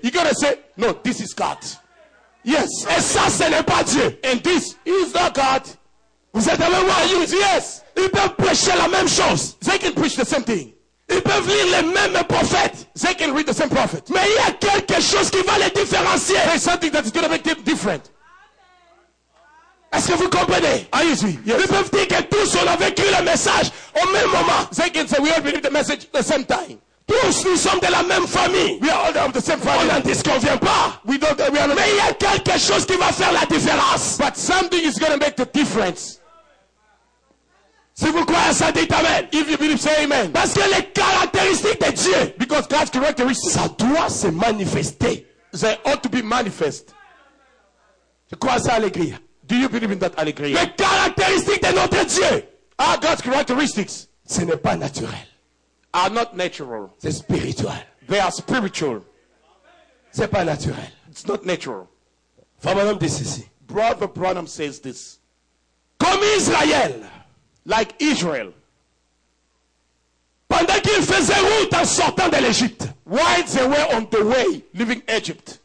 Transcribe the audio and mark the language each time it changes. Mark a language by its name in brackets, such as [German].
[English] You're gonna say, no, this is God. [French] Yes. Et ça ce n'est pas Dieu. [English] And this is not God. [French] Vous êtes avec moi? [English] You, yes. [French] Ils peuvent prêcher la même chose. [English] They can preach the same thing. [French] Ils peuvent lire les mêmes prophètes. [English] They can read the same prophet. [French] Mais il y a quelque chose qui va les différencier. [English] There's something that is gonna make them different. [French] Est-ce que vous comprenez? [English] Are you see? Yes. [French] Ils peuvent dire que tous on a vécu le message au même moment. [English] They can say we all believe the message the same time. [French] Tous nous sommes de la même famille. [English] We are all of the same family. [French] On n'en disconvient pas. [English] We don't, we are not. [French] Mais il y a quelque chose qui va faire la différence. [English] But something is gonna make the difference. [French] Si vous croyez ça, dites amen. [English] If you believe, say amen. [French] Parce que les caractéristiques de Dieu. [English] Because God's characteristics. [French] Ça doit se manifester. [English] They ought to be manifest. [French] Je crois ça, alegria. [English] Do you believe in that alegria? [French] Les caractéristiques de notre Dieu. [English] Are God's characteristics. [French] Ce n'est pas naturel. [English] Are not natural. [French] C'est spirituel. [English] They are spiritual. [French] C'est pas naturel. [English] It's not natural. [French] Fabanum dit ceci. [English] Brother Branham says this. [French] Comme Israël. [English] Like Israel. [French] Pendant qu'ils faisaient route en sortant de l'Égypte. [English] While they were on the way leaving Egypt.